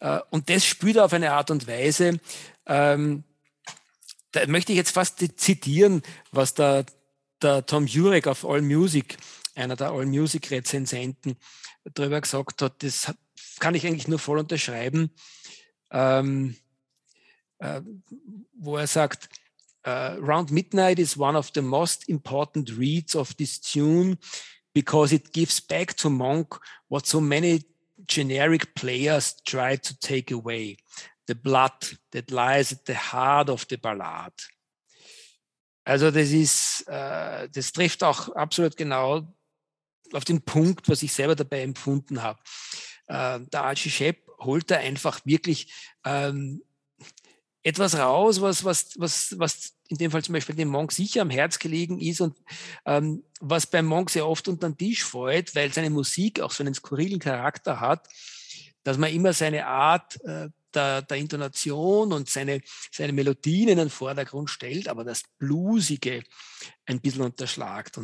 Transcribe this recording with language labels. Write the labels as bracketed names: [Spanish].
[German] Und das spielt er auf eine Art und Weise. Da möchte ich jetzt fast zitieren, was der Tom Jurek auf Allmusic, einer der Allmusic-Rezensenten, darüber gesagt hat. Das kann ich eigentlich nur voll unterschreiben. Wo er sagt, [English] Round Midnight is one of the most important reads of this tune, because it gives back to Monk what so many generic players try to take away the blood that lies at the heart of the ballad. [German] Also das ist, das trifft auch absolut genau auf den Punkt, was ich selber dabei empfunden habe. Der Archie Shepp holt da einfach wirklich etwas raus, was in dem Fall zum Beispiel dem Monk sicher am Herz gelegen ist und was beim Monk sehr oft unter den Tisch fällt, weil seine Musik auch so einen skurrilen Charakter hat, dass man immer seine Art der Intonation und seine Melodien in den Vordergrund stellt, aber das Bluesige ein bisschen unterschlagt.